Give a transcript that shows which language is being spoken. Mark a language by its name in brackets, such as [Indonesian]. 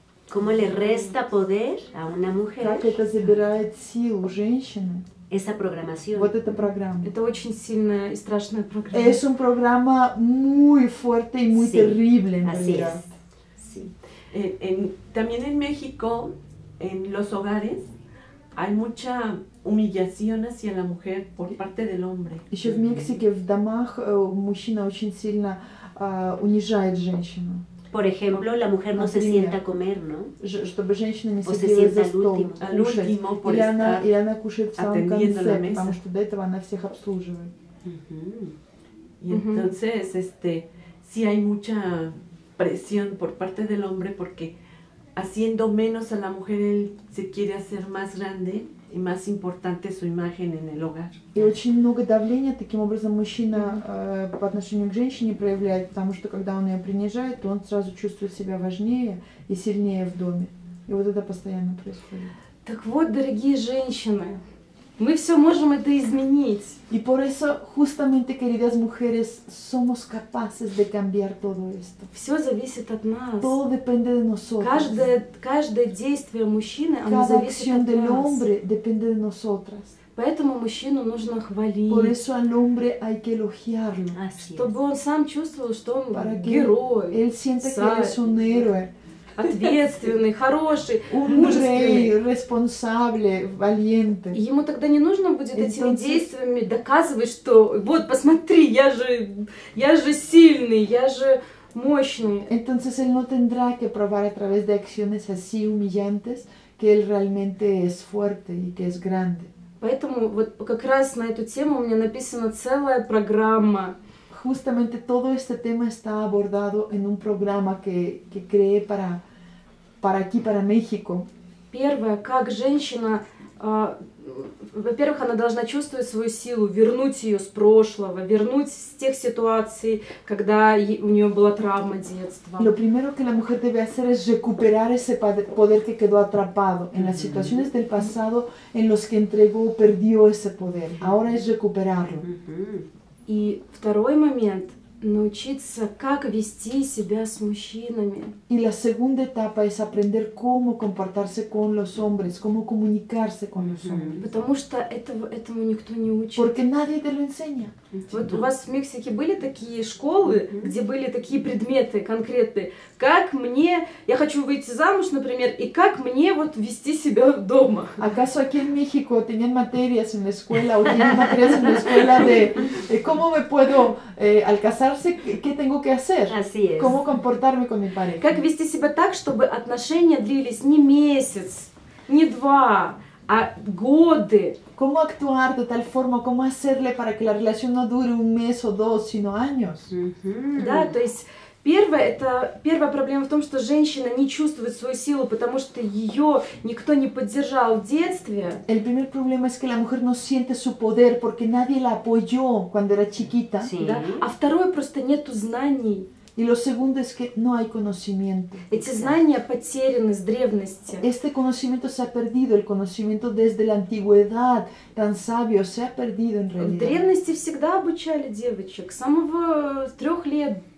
[Spanish] ¿Cómo le resta poder a una mujer? [Russian] Как это забирает силу женщины? [Spanish] Esa programación. [Russian] Вот эта программа. Это очень сильная и страшная программа. [Spanish] Es un programa muy fuerte y muy terrible, en realidad. Así es. También en México, en los hogares, hay mucha humillación hacia la mujer por parte del hombre. [Russian] Еще в Мексике в домах мужчина очень сильно унижает женщину. [Spanish] Por ejemplo, la mujer no se sienta a comer, ¿no? [Russian] Чтобы женщина не садилась за стол кушать. Или она, и она кушает в самом конце, потому что до этого она всех обслуживает. [Spanish] Y entonces, sí hay mucha presión por parte del hombre porque haciendo menos a la mujer él se quiere hacer más grande y más importante su imagen en el hogar. [Russian] Y очень много давления таким образом мужчина по отношению к женщине проявляет, потому что когда он ее принижает, то он сразу чувствует себя важнее и сильнее в доме. И вот это постоянно происходит. Так вот, дорогие женщины, мы все можем это изменить. [Spanish] И por eso, justamente, queridas mujeres, somos capaces de cambiar todo esto. [Russian] Все зависит от нас. [Spanish] Todo depende de nosotros. [Russian] Каждое действие мужчины, оно зависит от нас. [Spanish] Cada acción del hombre depende de nosotras. [Russian] Поэтому мужчину нужно хвалить. [Spanish] Por eso al hombre hay que elogiarlo. Así [Russian] чтобы [Spanish] es. [Russian] Он сам чувствовал, что он Para герой. [Spanish] Él sienta que eres un héroe. [Russian] Ответственный, хороший, мужественный, [Spanish] responsable, valiente. [Russian] И ему тогда не нужно будет Entonces, этими действиями доказывать, что вот посмотри, я же сильный, я же мощный. [Spanish] Entonces él no tendrá que probar a través de acciones así humillantes que él realmente es fuerte y que es grande. [Russian] Поэтому вот как раз на эту тему у меня написана целая программа. [Spanish] Justamente todo este tema está abordado en un programa que creé para aquí, para México. [Russian] Первое, как женщина, во-первых, она должна чувствовать свою силу, вернуть ее с прошлого, вернуть с тех ситуаций, когда у нее была травма детства. [Spanish] Lo primero que la mujer debe hacer es recuperar ese poder que quedó atrapado en las situaciones del pasado en los que entregó o perdió ese poder. Ahora es recuperarlo. [Russian] И второй момент – научиться, как вести себя с мужчинами. [Spanish] И la segunda etapa es aprender cómo comportarse con los hombres, cómo comunicarse con los hombres. [Russian] Потому что этому никто не учит. [Spanish] Porque nadie te lo enseña. [Russian] Вот у вас в Мексике были такие школы, где были такие предметы конкретные. Как мне, я хочу выйти замуж, например, и как мне вот вести себя дома? [Spanish] ¿Acaso aquí en México tenían materias en la escuela o tienen materias en la escuela de cómo me puedo al casarse, qué tengo que hacer? Así es. ¿Cómo comportarme con mi pareja? [Russian] Как вести себя так, чтобы отношения длились не месяц, не два, а годы? [Spanish] ¿Cómo actuar de tal forma, cómo hacerle para que la relación no dure un mes o dos, sino años? [Russian] Да, то есть первая проблема в том, что женщина не чувствует свою силу, потому что ее никто не поддержал в детстве. [Spanish] El primer problema es que la mujer no siente su poder porque nadie la apoyó cuando era chiquita. Sí. [Russian] Да? А второе, просто нету знаний. [Spanish] Y lo segundo es que no hay conocimiento. [Russian] Эти знания потеряны с древности. [Spanish] Este conocimiento se ha perdido, el conocimiento desde la antigüedad, tan sabio, se ha perdido en realidad. [Russian] В древности всегда обучали девочек, с самого 3 лет, 4, 5.